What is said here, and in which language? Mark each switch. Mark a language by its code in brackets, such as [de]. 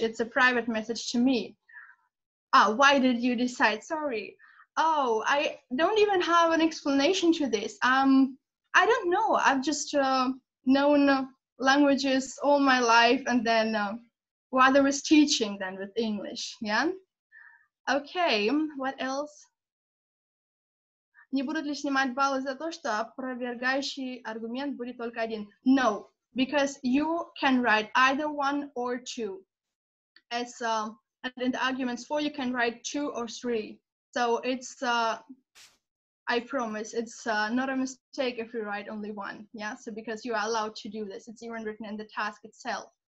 [en] It's a private message to me. Ah, why did you decide? Sorry. Oh, I don't even have an explanation to this. I don't know. I've just known languages all my life, and then rather with teaching than with English. Yeah. Okay. What else? [ru] Не будут ли снимать баллы за то, что опровергающий аргумент будет только один? [en] No, because you can write either one or two. As and in the arguments for, you can write two or three. So it's, I promise, it's not a mistake if you write only one, yeah? So because you are allowed to do this, it's even written in the task itself.